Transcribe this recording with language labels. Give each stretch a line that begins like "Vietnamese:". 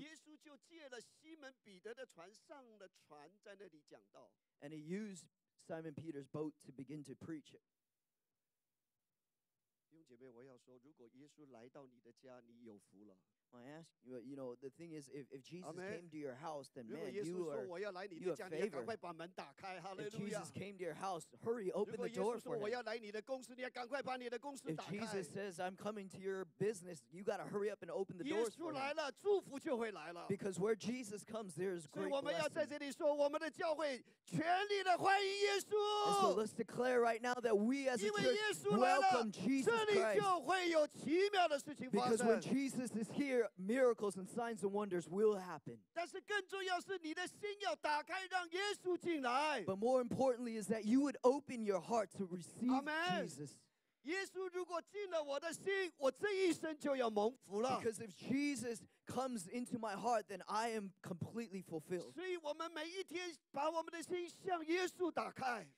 Chinese: 耶稣就借了西门彼得的船上的船，在那里讲道。
English: And he used Simon Peter's boat to begin to preach it.
Chinese: 姐妹，我要说，如果耶稣来到你的家，你有福了。
English: I ask you, the thing is, if Jesus、 Amen. came to your house, then man,
Chinese: 如果耶稣说我要来你的家，你要赶快把门打开。
English: Hallelujah. If Jesus came to your house, hurry, open the door for him.
Chinese: 如果耶稣说我要来你的公司，你要赶快把你的公司打开。
English: If Jesus says I'm coming to your business, you got to hurry up and open the doors for him.
Chinese: 耶稣来了，祝福就会来了。
English: Because where Jesus comes, there is great blessing.
Chinese: 所以我们要在这里说，我们的教会全力的欢迎耶稣。
English: And so let's declare right now that we as a church welcome Jesus Christ.
Chinese: 就会有奇妙的事情发生。
English: Because when Jesus is here, miracles and signs and wonders will happen.
Chinese: 但是更重要是你的心要打开，让耶稣进来。
English: But more importantly is that you would open your heart to receive Amen. Jesus.
Chinese: 耶稣如果进了我的心，我这一生就要蒙福了。
English: Because if Jesus comes into my heart, then I am completely fulfilled.
Chinese: 所以我们每一天把我们的心向耶稣打开。